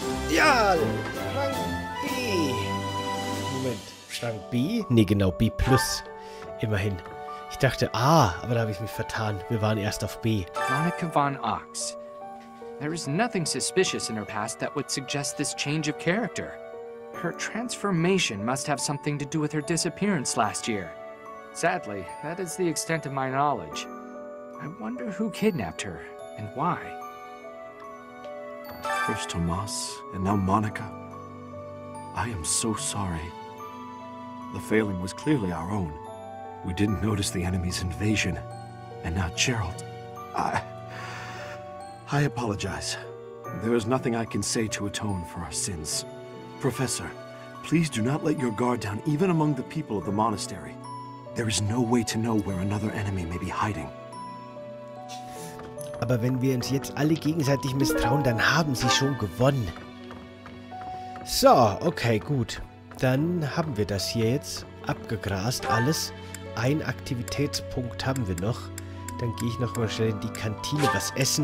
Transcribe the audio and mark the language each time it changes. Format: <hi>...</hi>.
<de>Ja! Schrank B! Moment, Schrank B? Nee, genau, B plus. Immerhin. Ich dachte, ah, aber da habe ich mich vertan. Wir waren erst auf B. Monika von Ox.</de> <en>There is nothing suspicious in her past that would suggest this change of character. Her transformation must have something to do with her disappearance last year. Sadly, that is the extent of my knowledge. I wonder who kidnapped her and why. First Tomas and now Monika. I am so sorry. The failing was clearly our own. We didn't notice the enemy's invasion, and now Geralt. I apologize. There is nothing I can say to atone for our sins. Professor, please do not let your guard down even among the people of the monastery. There is no way to know where another enemy may be hiding.</en> <de>Aber wenn wir uns jetzt alle gegenseitig misstrauen, dann haben sie schon gewonnen. So, okay, gut. Dann haben wir das hier jetzt abgegrast, alles. Ein Aktivitätspunkt haben wir noch. Dann gehe ich noch mal schnell in die Kantine was essen.</de>